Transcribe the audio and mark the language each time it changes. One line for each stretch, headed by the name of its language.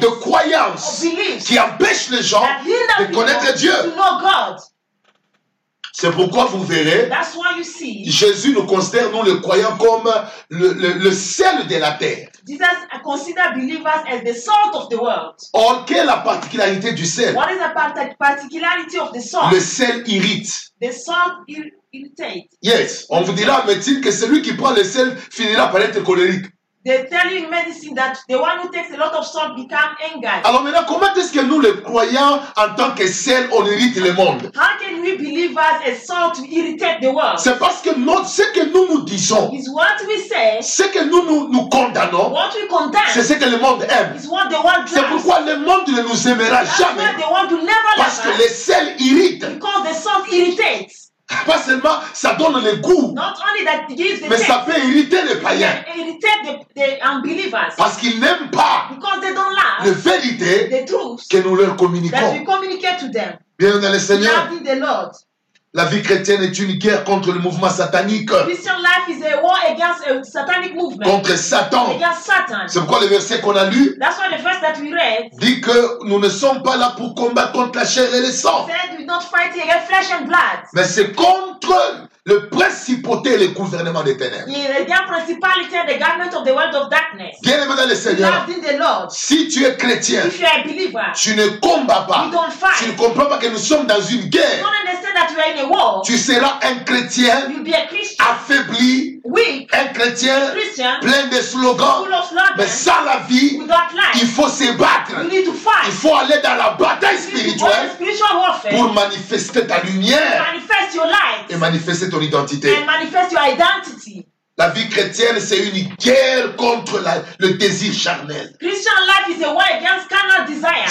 French: de croyances, qui empêche les gens de connaître Dieu. C'est pourquoi vous verrez,
English: that's why you see,
French: Jésus nous considère, nous les croyants, comme le sel de la terre.
English: Jesus considers believers as the salt of the world.
French: Or, quelle est la particularité du sel?
English: What is the particularity of the salt?
French: Le sel irrite.
English: The salt irritates.
French: Yes, on vous dira, mais que celui qui prend le sel finira par être colérique.
English: They tell you in medicine that the one who takes a lot of salt becomes angry.
French: Alors maintenant, comment est-ce que nous les croyants, en tant que sel, on irrite le monde?
English: How can we believers as salt irritate the world?
French: C'est parce que ce que nous nous disons,
English: is what we say,
French: ce que nous condamnons,
English: what we condemn,
French: c'est ce que le monde aime.
English: Is what the world
French: c'est pourquoi le monde ne nous aimera
English: that's
French: jamais.
English: The world will never
French: parce que le sel irrite.
English: Because the salt irritates.
French: Pas seulement ça donne le goût,
English: not only that gives the
French: mais
English: taste,
French: ça peut irriter les païens.
English: The unbelievers,
French: parce qu'ils n'aiment pas
English: because they don't love
French: les vérités
English: the truth
French: que nous leur communiquons.
English: That we communicate to them.
French: Bien dans le Seigneur.
English: The Lord.
French: La vie chrétienne est une guerre contre le mouvement satanique.
English: Christian life is a war against a satanic movement.
French: Contre Satan.
English: Against Satan.
French: C'est pourquoi le verset qu'on a lu,
English: that's why the verse that we read,
French: dit que nous ne sommes pas là pour combattre contre la chair et le sang.
English: Said we don't fight against flesh and blood.
French: Mais c'est contre le principauté et le gouvernement des ténèbres.
English: Bien principality and the government of the world of darkness.
French: Bien aimé dans le Seigneur.
English: Loved in the Lord.
French: Si tu es chrétien,
English: if you are a believer,
French: tu ne combats pas.
English: You don't fight.
French: Tu ne comprends pas que nous sommes dans une guerre.
English: You don't understand that we are in a war.
French: Tu seras un chrétien,
English: you'll be a Christian,
French: affaibli,
English: weak,
French: un chrétien,
English: Christian,
French: plein de slogans,
English: full of slogans,
French: mais sans la vie,
English: without life,
French: il faut se battre.
English: You need to fight.
French: Il faut aller dans la bataille spirituelle,
English: spiritual warfare,
French: pour manifester ta lumière,
English: manifest your light,
French: et manifester ton identité.
English: And manifest your identity.
French: La vie chrétienne, c'est une guerre contre le désir charnel.
English: Christian life is a war against carnal desire.